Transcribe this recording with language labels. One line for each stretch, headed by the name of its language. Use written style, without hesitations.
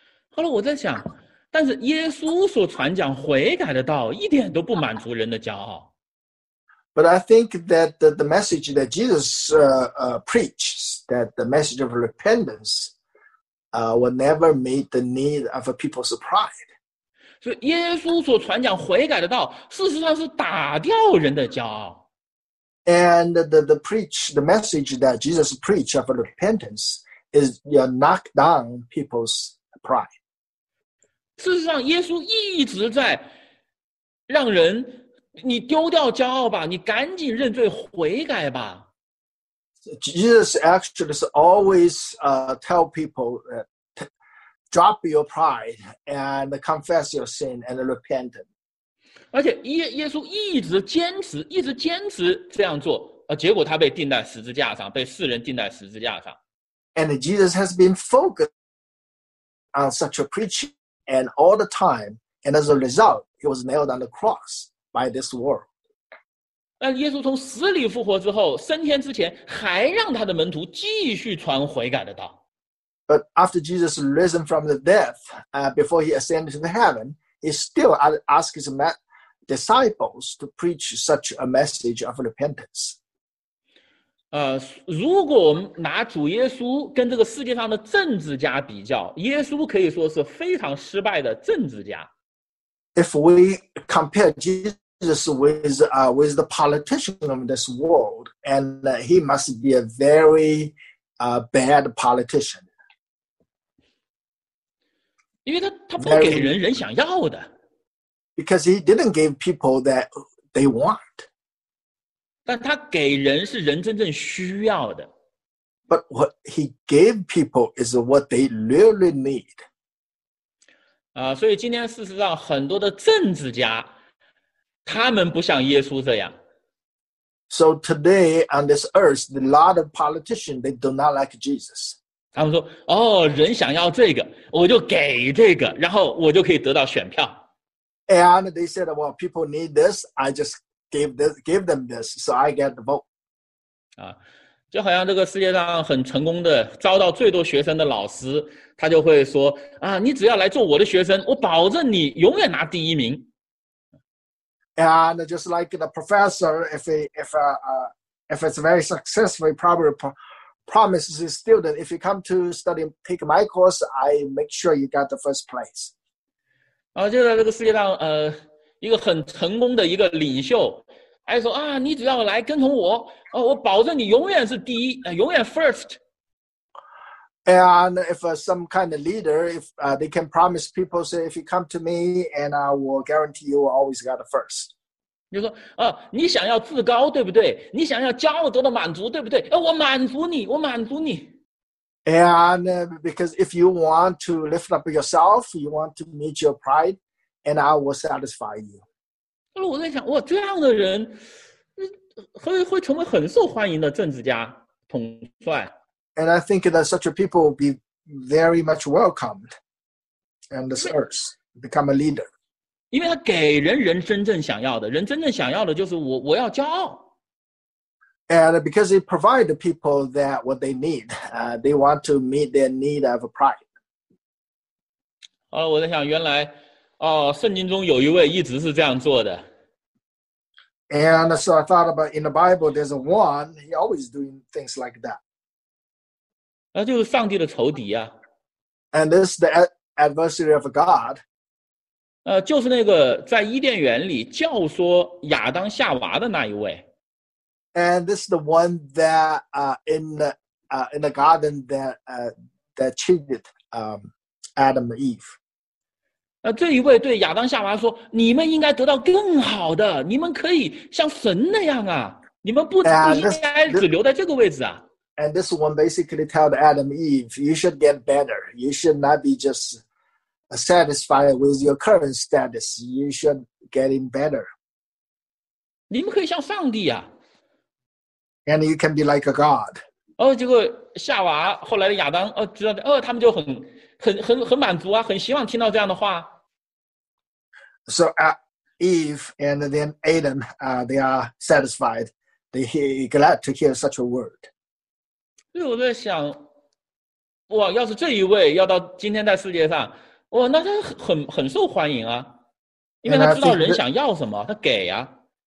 Chinese: 后来我在想，但是耶稣所传讲悔改的道一点都不满足人的骄傲。
English: But I think that the message that Jesus preaches, that the message of repentance will never meet the need of people's pride.
Chinese: 所以耶稣所传讲悔改的道事实上是打掉人的骄傲。
English: And the message that Jesus preached of repentance is you knock down people's pride.
Chinese: 事实上耶稣一直在让人，你丢掉骄傲吧，你赶紧认罪悔改吧。
English: Jesus actually is always tell people that,Drop your pride and confess your sin and repent.
Chinese: 而且耶稣一直坚持这样做，结果他被钉在十字架上，被世人钉在十字架上。
English: And Jesus has been focused on such a preaching and all the time, and as a result, he was nailed on the cross by this world.
Chinese: 但耶稣从死里复活之后，升天之前，还让他的门徒继续传悔改的道。
English: But after Jesus risen from the death, before he ascended to the heaven, he still asked his disciples to preach such a message of repentance.
Chinese: 如果我们拿主耶稣跟这个世界上的政治家比较，耶稣可以说是非常失败的政治家。
English: If we compare Jesus with the politician of this world, and he must be a very bad politician.
Chinese: 因为他不给人想要的。
English: Because he didn't give people that they want.
Chinese: 但他给人是人真正需要的。
English: But what he gave people is what they really need.
Chinese: 所以今天事实上很多的政治家，他们不像耶稣这样。
English: So today on this earth, a lot of politicians, they do not like Jesus.
Chinese: 他们说人想要这个我就给这个，然后我就可以得到选票。
English: And they said, well, people need this, I just give them this, so I get the vote.
Chinese: 就好像这个世界上很成功的招到最多学生的老师，他就会说你只要来做我的学生，我保证你永远拿第一名。
English: And just like the professor, if it's very successful, probably promises his student, if you come to study, take my course, I make sure you got the first place.
Chinese: 就在这个世界上，一个很成功的一个领袖，还说啊，你只要来跟从我，哦，我保证你永远是第一，永远
English: first。 And if some kind of leader, if they can promise people, say, if you come to me, and I will guarantee you always got the first.
Chinese: 就说啊，你想要至高，对不对？你想要骄傲得到满足，对不对？哎，我满足你，我满足你。
English: And because if you want to lift up yourself, you want to meet your pride, and I will satisfy you.
Chinese: 我在想，哇，这样的人，会成为很受欢迎的政治家统帅。
English: And I think that such a people will be very much welcomed on this earth, become a leader.
Chinese: 因为他给人人真正想要的，人真正想要的就是我要骄傲。
English: And because it provides the people that what they need, they want to meet their need of pride.
Chinese: 我在想原来，圣经中有一位一直是这样做的。
English: And so I thought about in the Bible, there's a one, he always doing things like that.
Chinese: 那就是上帝的仇敌啊。
English: And this is the adversary of God.
Chinese: 就是那个在伊甸园里教唆亚当夏娃的那一位。
English: And this is the one that in the garden that cheated Adam and Eve.
Chinese: 这一位对亚当夏娃说，你们应该得到更好的，你们可以像神那样啊，你们不应该只留在这个位置啊。
English: And this one basically told Adam and Eve, you should get better. You should not be just satisfied with your current status. You should get in better.
Chinese: 你们可以像上帝啊。
English: And you can be like a god.
Chinese: 结果夏娃后来的亚当知道他们就很满足啊，很希望听到这样的话。
English: So Eve and then Adam, they are satisfied. They're glad to hear such a word.
Chinese: 所以我在想，哇，要是这一位要到今天在世界上，哇，那他很受欢迎啊，因为他知道人想要什么，他给啊。